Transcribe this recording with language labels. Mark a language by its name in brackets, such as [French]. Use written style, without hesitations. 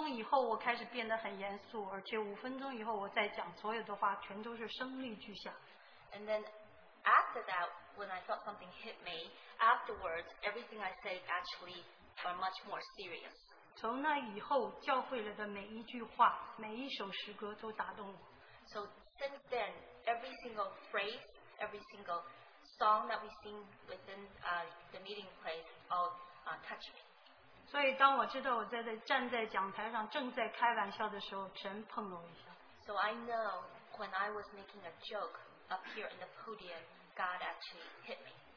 [English] And then after that, when I felt something hit me, afterwards, everything I said actually are much more serious. [Chinese] 从那以后, 教会里的每一句话, 每一首诗歌都打动我。 [English] So since then, every single phrase, every single song that we sing within the meeting place all touch me. [Chinese] 所以当我知道我站在讲台上正在开玩笑的时候，神碰了我一下。 [English] So I know when I was making a joke up here in the podium, God actually hit me.